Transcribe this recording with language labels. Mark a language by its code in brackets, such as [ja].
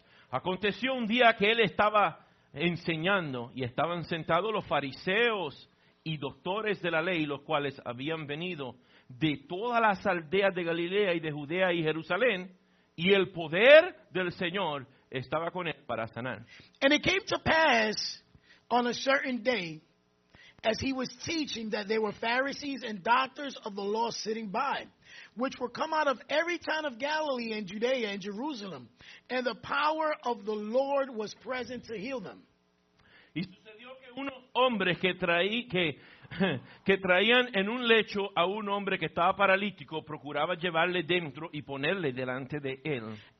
[es] Aconteció un día que él estaba enseñando y estaban sentados los fariseos y doctores de la ley, los cuales habían venido de todas las aldeas de Galilea y de Judea y Jerusalén, y el poder del Señor estaba con él para sanar. [en] And it came to pass on a certain day, as he was teaching, that there were Pharisees and doctors of the law sitting by, which were come out of every town of Galilee and Judea and Jerusalem, and the power of the Lord was present to heal them. [es] Y sucedió que unos hombres que traían en un lecho a un hombre que estaba paralítico procuraban llevarle dentro y ponerle delante de él.